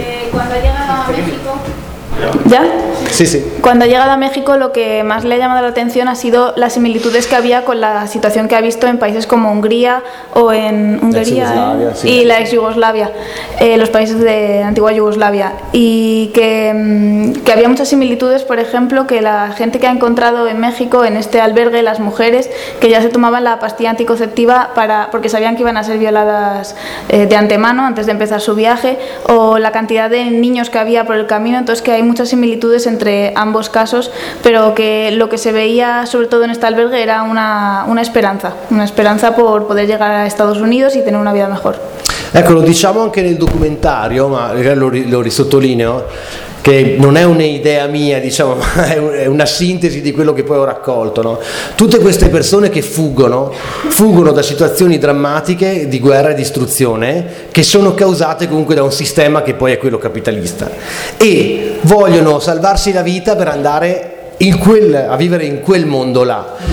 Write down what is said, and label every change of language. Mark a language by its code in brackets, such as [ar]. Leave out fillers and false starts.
[it] Quando arriva a Messico? [es] ¿Ya? Sí, sí. Cuando ha llegado a México, lo que más le ha llamado la atención ha sido las similitudes que había con la situación que ha visto en países como Hungría o en Hungría y la ex Yugoslavia, los países de antigua Yugoslavia. Y que había muchas similitudes, por ejemplo, que la gente que ha encontrado en México, en este albergue, las mujeres, que ya se tomaban la pastilla anticonceptiva porque sabían que iban a ser violadas de antemano, antes de empezar su viaje, o la cantidad de niños que había por el camino, entonces que hay muchas similitudes entre ambos casos, pero que lo que se veía sobre todo en este albergue era una esperanza por poder llegar a Estados Unidos y tener una vida mejor. [it] Ecco, lo diciamo anche nel documentario, ma lo risottolineo, che non è un'idea mia, diciamo, ma è una sintesi di quello che poi ho raccolto, no? Tutte queste persone che fuggono da situazioni drammatiche di guerra e distruzione, che sono causate comunque da un sistema che poi è quello capitalista, e vogliono salvarsi la vita per andare a vivere in quel mondo là.